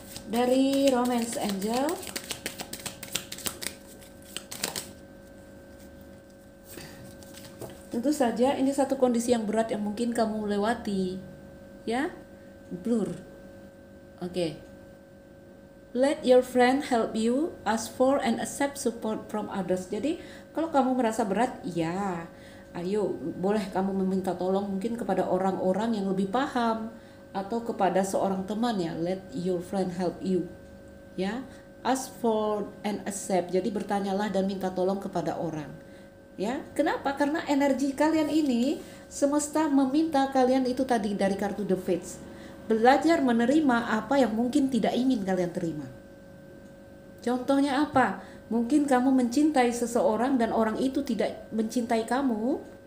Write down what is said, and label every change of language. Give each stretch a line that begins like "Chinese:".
Indonesian: Dari Romance Angel. Tentu saja ini satu kondisi yang berat yang mungkin kamu lewati. Ya? Blur. Oke.
English: Let your friend help you, ask for and accept support from others.
Indonesian: Jadi, kalau kamu merasa berat, ya, ayo, boleh kamu meminta tolong mungkin kepada orang-orang yang lebih paham atau kepada seorang teman ya.
English: Let your friend help you, ya, ask for and accept.
Indonesian: Jadi bertanyalah dan minta tolong kepada orang, ya. Kenapa? Karena energi kalian ini semesta meminta kalian itu tadi dari kartu The Fates. Belajar menerima apa yang mungkin tidak ingin kalian terima. Contohnya apa? Mungkin kamu mencintai seseorang dan orang itu tidak mencintai kamu.